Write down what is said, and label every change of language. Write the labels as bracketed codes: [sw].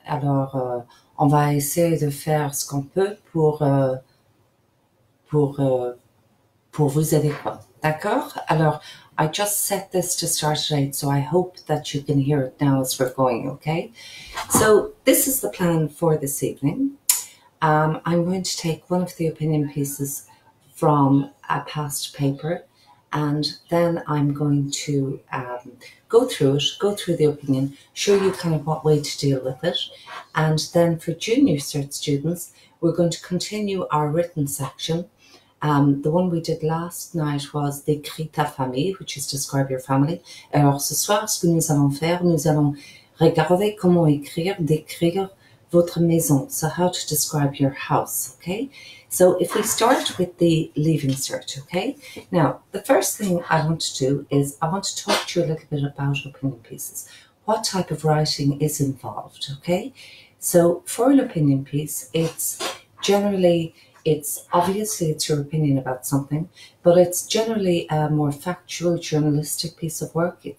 [fr] Alors, on va essayer de faire ce qu'on peut pour vous aider quoi. D'accord? [en] Alors, I just set this to start today, so I hope that you can hear it now as we're going, okay? So, this is the plan for this evening. I'm going to take one of the opinion pieces from a past paper, and then I'm going to go through the opinion, show you kind of what way to deal with it. And then for junior cert students, we're going to continue our written section. The one we did last night was [fr] décris ta famille, [en] which is describe your family. [fr] Alors ce soir, ce que nous allons faire, nous allons regarder comment écrire, décrire votre maison. [en] So how to describe your house, okay? So if we start with the leaving cert, okay? Now, the first thing I want to do is I want to talk to you a little bit about opinion pieces. What type of writing is involved, okay? So for an opinion piece, it's obviously it's your opinion about something, but it's generally a more factual, journalistic piece of work.